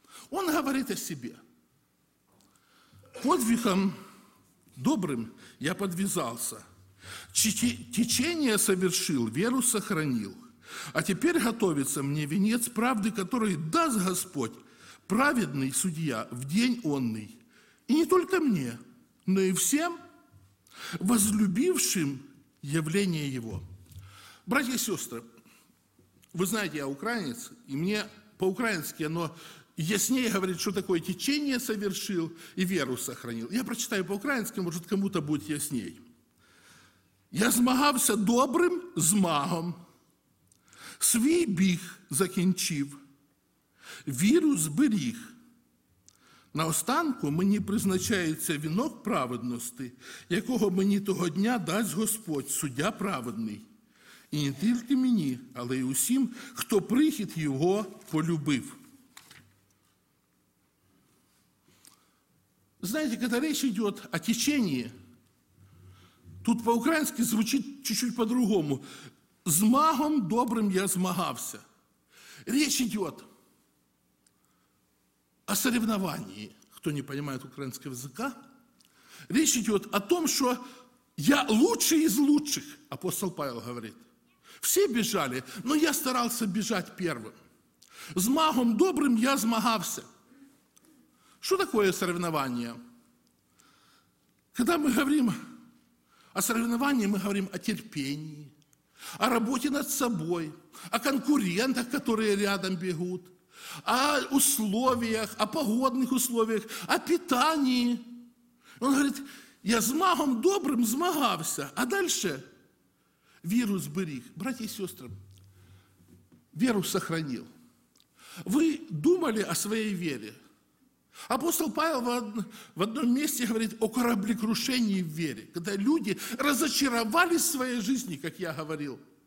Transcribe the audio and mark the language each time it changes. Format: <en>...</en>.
<ru>Он говорит о себе. Подвигом добрым я подвязался, течение совершил, веру сохранил, а теперь готовится мне венец правды, который даст Господь, праведный судья, в день онный, и не только мне, но и всем возлюбившим явление Его. Братья и сестры, вы знаете, я украинец, и мне по-украински оно яснее говорит, что такое течение совершил и веру сохранил. Я прочитаю по-украински, может, кому-то будет яснее.</ru> <uk>Я змагався добрым змагом, свій біг закінчив, віру зберіг. Наостанку мені призначається вінок праведності, якого мені того дня дасть Господь, суддя праведний. І не тільки мені, але й усім, хто прихід його полюбив. Знаєте, коли речь йде о течении, тут по-українськи звучить чуть-чуть по-другому. Змагом добрим я змагався.</uk> <ru>Речь йде о соревновании, кто не понимает украинского языка. Речь идет о том, что я лучший из лучших, апостол Павел говорит. Все бежали, но я старался бежать первым.</ru> <uk>Змагом добрым я змагався.</uk> <ru>Что такое соревнование? Когда мы говорим о соревновании, мы говорим о терпении, о работе над собой, о конкурентах, которые рядом бегут, о условиях, о погодных условиях, о питании. Он говорит,</ru> <uk>я змагом добрым змагався, а дальше віру зберіг.</uk> <ru>Братья и сестры, веру сохранил. Вы думали о своей вере? Апостол Павел в одном месте говорит о кораблекрушении в вере, когда люди разочаровались в своей жизни, как я говорил.</ru>